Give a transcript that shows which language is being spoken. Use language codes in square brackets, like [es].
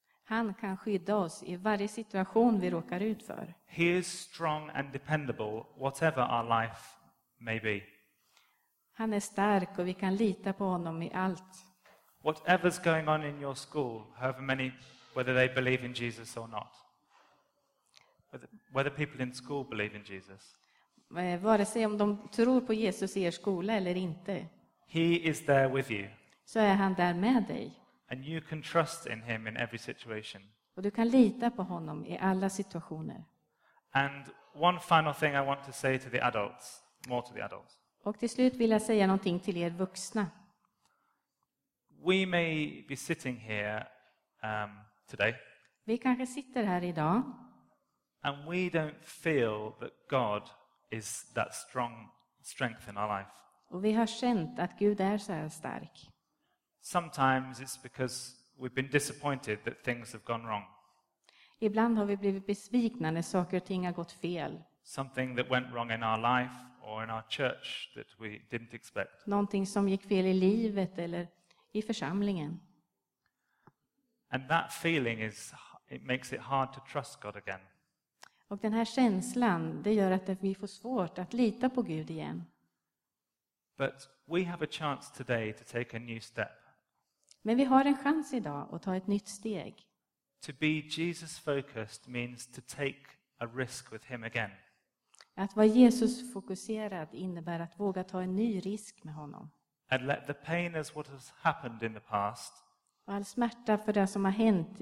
[sv] Han kan skydda oss i varje situation vi råkar ut för. [en] He is strong and dependable whatever our life may be. [sv] Han är stark och vi kan lita på honom i allt. [en] Whatever's going on in your school, however many, whether they believe in Jesus or not. Whether people in school believe in Jesus. [sv] Vare sig om de tror på Jesus i er skola eller inte. [en] He is there with you. [sv] Så är han där med dig. [en] And you can trust in him in every situation. [sv] Och du kan lita på honom i alla situationer. [en] And one final thing I want to say to the adults, more to the adults. [sv] Och till slut vill jag säga någonting till er vuxna. [en] We may be sitting here today. [sv] Vi kanske sitter här idag. [en] And we don't feel that God is that strong strength in our life. [sv] Och vi har känt att Gud är så här stark. [en] Sometimes it's because we've been disappointed that things have gone wrong. [sv] Ibland har vi blivit besvikna när saker och ting har gått fel. [en] Something that went wrong in our life or in our church that we didn't expect. [sv] Någonting som gick fel i livet eller i församlingen. [en] And that feeling is, it makes it hard to trust God again. [sv] Och den här känslan, det gör att vi får svårt att lita på Gud igen. [en] But we have a chance today to take a new step. [sv] Men vi har en chans idag att ta ett nytt steg. [en] To be Jesus focused means to take a risk with him again. [sv] Att vara Jesus fokuserad innebär att våga ta en ny risk med honom. [en] And let the pain as what has happened in the past. [sv] Och all smärta för det som har hänt